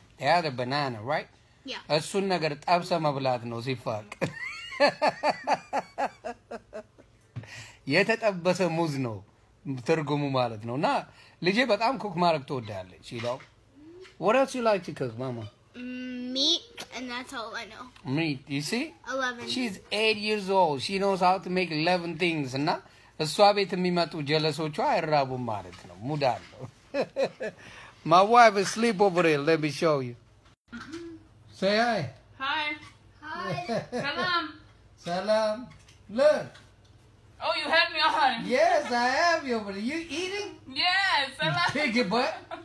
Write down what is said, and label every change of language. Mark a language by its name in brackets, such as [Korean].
[English] The other banana, right? Yeah. [Amharic] እሱን ነገር ጠብሰ መብላት ነው ሲፋቅ። የተጠበሰ ሙዝ ነው ትርጉሙ ማለት ነው። እና ልጄ በጣም ኩክ ማድረግ ትወዳለች ይላል። [English] What else you like to cook, mama? Meat, and that's all I know. Meat, you see? 11. She's 8 years old. She knows how to make 11 things. [Amharic] እና እሷ ቤት የሚመጡ ጀለሶቿ አይራቡም ማለት ነው። ሙዳ አለው። [English] My wife is asleep over there. Let me show you. Say hi. Hi. Hi. Salam. Salam. Look. Oh, you have me on. Yes, I have you over there. You eating? Yes. Salam. Pick your butt.